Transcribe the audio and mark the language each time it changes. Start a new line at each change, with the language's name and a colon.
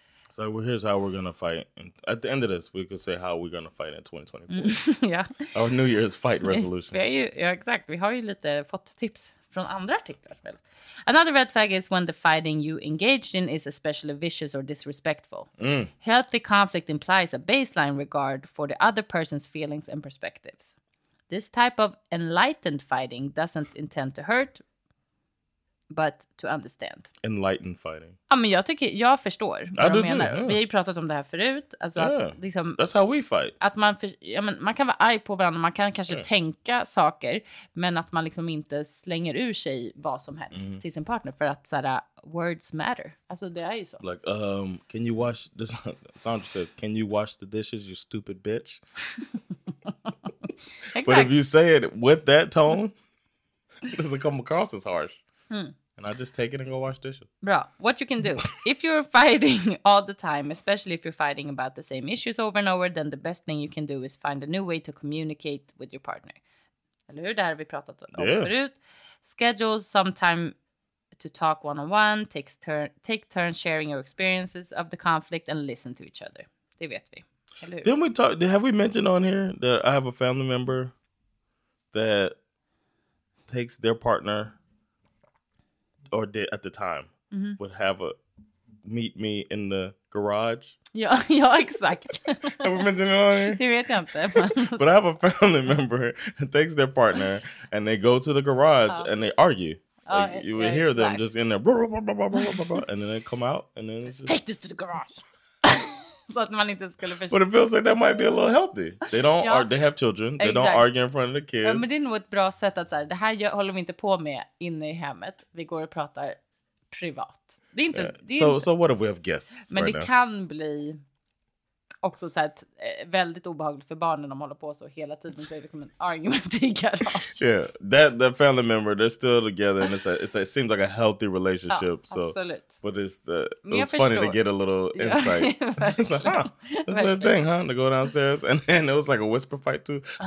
English: So here's how we're gonna fight. At the end of this, we could say how we're gonna fight in 2024. Yeah. Our New Year's fight resolution.
Swedish: Vi har ju lite fått tips från andra artiklar.
English: Another red flag is when the fighting you engaged in is especially vicious or disrespectful. Mm. Healthy conflict implies a baseline regard for the other person's feelings and perspectives. This type of enlightened fighting doesn't intend to hurt, but to understand. Enlightened fighting.
Swedish: Ja, men jag förstår vad du menar.
English: Yeah.
Swedish: Vi har ju pratat om det här förut. Alltså
English: yeah.
Swedish: liksom,
English: that's how we fight.
Swedish: Att man, ja, men man kan vara arg på varandra, man kan kanske tänka saker, men att man liksom inte slänger ur sig vad som helst till sin partner, för att såhär, words matter. Alltså det är ju så.
English: Like, can you wash, this, Sandra says, can you wash the dishes, you stupid bitch? Exakt. But if you say it with that tone, it doesn't come across as harsh. Hmm. And I just take it and go wash dishes.
Swedish: Bra.
English: What you can do, if you're fighting all the time, especially if you're fighting about the same issues over and over, then the best thing you can do is find a new way to communicate with your partner.
Swedish: Eller hur? Det här har vi pratat om förut.
English: Schedule some time to talk one-on-one, take turns sharing your experiences of the conflict and listen to each other.
Swedish: Det vet vi. Eller hur?
English: Have we mentioned on here that I have a family member that takes their partner... Or did at the time would have a meet me in the garage.
Swedish: Ja, exakt.
English: Have we mentioned it on here?
Swedish: Det vet jag inte.
English: But I have a family member that takes their partner and they go to the garage and they argue. Hear them just in there. Blah, blah, blah, blah, blah, blah, blah, and then they come out and then just... Take this to the garage.
Swedish: Så att man inte skulle förstå.
English: But it feels like that might be a little healthy. They don't they have children. They don't argue in front of the kids.
Swedish: Ja, men det är nog ett bra sätt att säga. Det här håller vi inte på med inne i hemmet. Vi går och pratar privat. Det är inte
English: So what if we have guests?
Swedish: Men
English: right
Swedish: det
English: now?
Swedish: Kan bli också så att väldigt obehagligt för barnen om de håller på så hela tiden, så är det som en argument i garage.
English: Yeah. That family member, they're still together and it seems like a healthy relationship.
Swedish: Ja, absolut.
English: So, but it was funny to get a little insight. Yeah, it's like, huh, that's a thing, huh? To go downstairs and then it was like a whisper fight too.